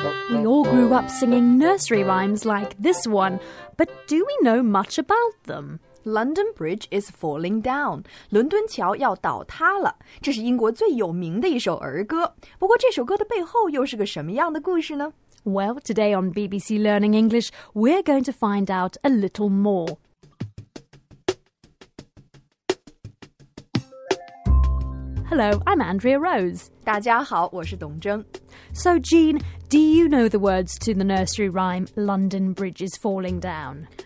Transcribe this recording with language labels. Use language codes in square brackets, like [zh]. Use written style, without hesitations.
[en] We all grew up singing nursery rhymes like this one, but do we know much about them? London Bridge is falling down. [zh] 伦敦桥要倒塌了。这是英国最有名的一首儿歌。不过这首歌的背后又是个什么样的故事呢？ [en] Well, today on BBC Learning English, we're going to find out a little more. Hello, I'm Andrea Rose. [zh] 大家好，我是董征。 [en] So, Jean, do you know the words to the nursery rhyme, London Bridge is falling down?